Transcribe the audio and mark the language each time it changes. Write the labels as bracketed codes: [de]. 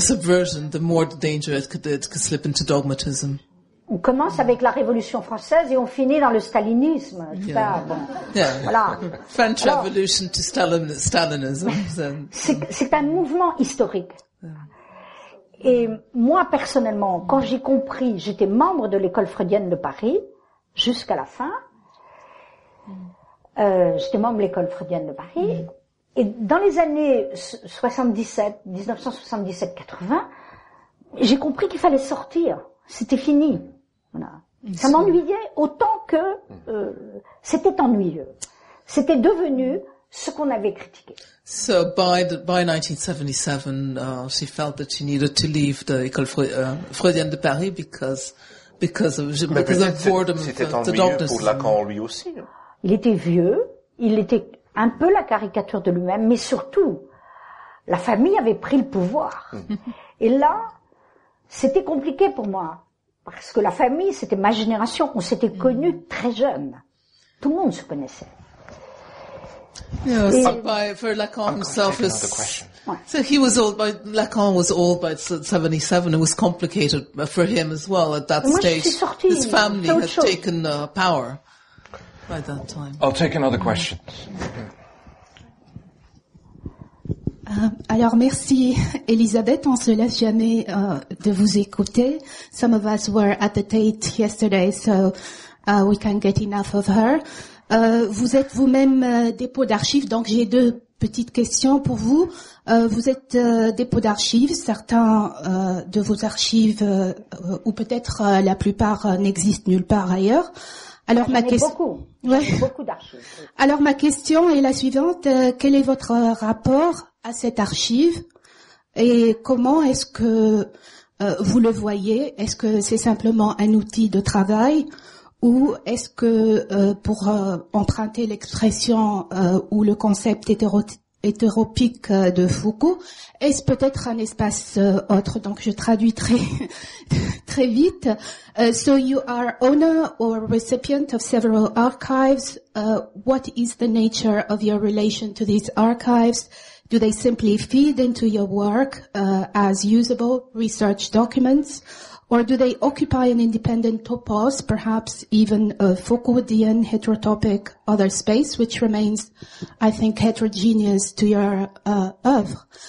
[en] The stronger the subversion, the more dangerous it could slip into dogmatism. [fr] On commence avec la Révolution française et on finit dans le stalinisme. Voilà. [en] French Revolution to Stalinism. [fr] C'est un mouvement historique. Et moi, personnellement, quand j'ai compris, j'étais membre de l'école freudienne de Paris jusqu'à la fin. J'étais membre de l'école freudienne de Paris. Et dans les années 1977-80, j'ai compris qu'il fallait sortir. C'était fini. Voilà. Ça m'ennuyait autant que c'était ennuyeux. C'était devenu ce qu'on avait critiqué. [en] So by 1977, she felt that she needed to leave the École Freudienne de Paris because of boredom. [fr] C'était ennuyeux pour Lacan lui aussi. Il était vieux, il était un peu la caricature de lui-même, mais surtout, la famille avait pris le pouvoir. Et là, c'était compliqué pour moi. Parce que la famille, c'était ma génération. On s'était connus très jeune. Tout le monde se connaissait. [en] For Lacan himself, so he was old. By Lacan was old by 77. It was complicated for him as well at that stage. His family had taken power by that time. I'll take another question. [fr] Alors merci Elisabeth, on se lasse jamais de vous écouter. [en] Some of us were at the Tate yesterday, so we can't get enough of her. [fr] Vous êtes vous-même dépôt d'archives, donc j'ai deux petites questions pour vous. Vous êtes dépôt d'archives, certains de vos archives, ou peut-être la plupart, n'existent nulle part ailleurs. Alors beaucoup d'archives. Alors ma question est la suivante, quel est votre rapport à cette archive et comment est-ce que vous le voyez? Est-ce que c'est simplement un outil de travail ou est-ce que, pour emprunter l'expression ou le concept hétéropique de Foucault, est-ce peut-être un espace autre? Donc je traduis très très vite. [en] So you are owner or recipient of several archives. What is the nature of your relation to these archives? Do they simply feed into your work as usable research documents, or do they occupy an independent topos, perhaps even a Foucauldian heterotopic other space, which remains, I think, heterogeneous to your oeuvre?